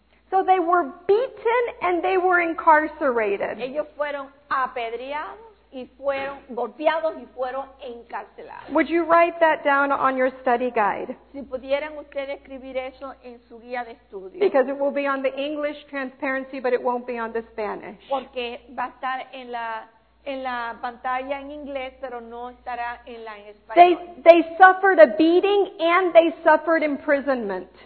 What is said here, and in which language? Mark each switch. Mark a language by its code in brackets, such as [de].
[en] So they were beaten and they were incarcerated. [es] Ellos fueron apedreados y fueron golpeados y fueron encarcelados. [en] Would you write that down on your study guide? [es] Si pudieran ustedes escribir eso en su guía de estudio. [en] Because it will be on the English transparency, but it won't be on the Spanish. [es] Porque va a estar en la pantalla en inglés, pero no estará en la en español. [en] They suffered a beating and they suffered imprisonment.